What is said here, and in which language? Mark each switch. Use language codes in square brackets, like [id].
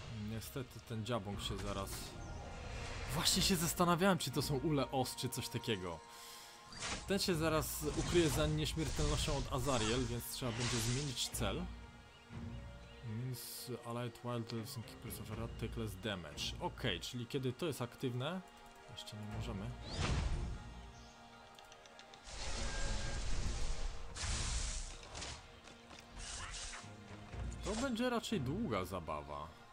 [pl] Niestety ten dziabąk się zaraz... Właśnie się zastanawiałem, czy to są ule os, czy coś takiego. Ten się zaraz ukryje za nieśmiertelnością od Azariel, więc trzeba będzie zmienić cel. [en] Means allied wild elves and keepers of Arat take less damage. [pl] Okej, czyli kiedy to jest aktywne, jeszcze nie możemy. To będzie raczej długa zabawa.